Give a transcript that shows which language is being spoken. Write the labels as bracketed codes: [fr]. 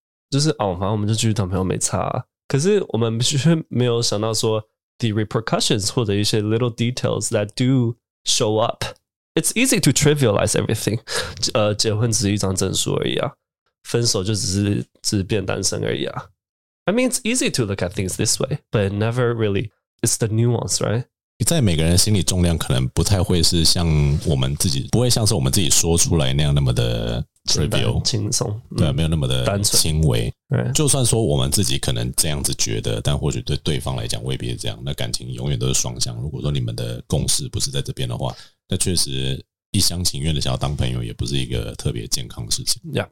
[zh] 就是哦反正我们就继续当朋友没差、啊。可是我们却没有想到说 [en] the repercussions [zh] 或者一些 [en] little details that do show up。 It's easy to trivialize everything. [zh] 结婚只是一张证书而已啊。分手就只是变单身而已啊。 [en] I mean, it's easy to look at things this way, but it never really, it's the nuance, right? [zh] 在每个人心理重量可能不太会是像我们自己，不会像是我们自己说出来那样那么的 trivial 轻松，对，没有那么的单纯轻微。就算说我们自己可能这样子觉得，但或许对对方来讲未必是这样，那感情永远都是双向。如果说你们的共识不是在这边的话，那确实一厢情愿的想要当朋友也不是一个特别健康的事情。